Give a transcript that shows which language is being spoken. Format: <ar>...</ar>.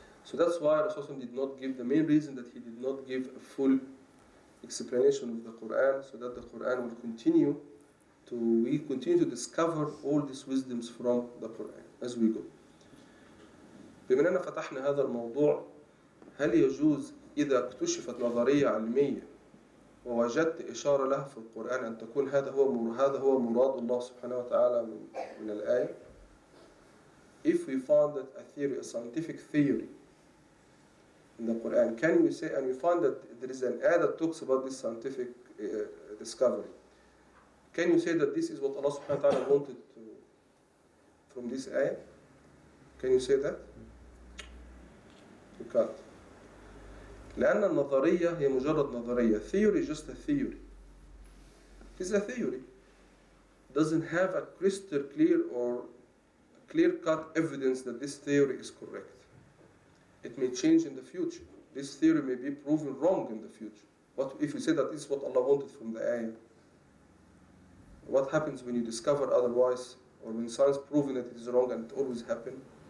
<en>So that's why Rasulullah did not give, the main reason that he did not give a full explanation of the Quran, so that the Quran will continue to, we continue to discover all these wisdoms from the Quran as we go.</en> <ar>بما أننا فتحنا هذا الموضوع هل يجوز إذا اكتشفت نظرية علمية ووجدت إشارة لها في القرآن أن تكون هذا هو مراد الله سبحانه وتعالى من الآية.</ar> <en>If we found that a theory, a scientific theory in the Quran, can we say, and we find that there is an ayah that talks about this scientific discovery, can you say that this is what Allah subhanahu wa ta'ala wanted to, from this ayah? Can you say that? You can't.</en> <ar>لأن النظرية هي مجرد نظرية.</ar> <en>Theory is just a theory. It is a theory. Doesn't have a crystal clear or clear-cut evidence that this theory is correct. It may change in the future. This theory may be proven wrong in the future. What if you say that this is what Allah wanted from the ayah? What happens when you discover otherwise, or when science proven that it is wrong and it always happened?</en>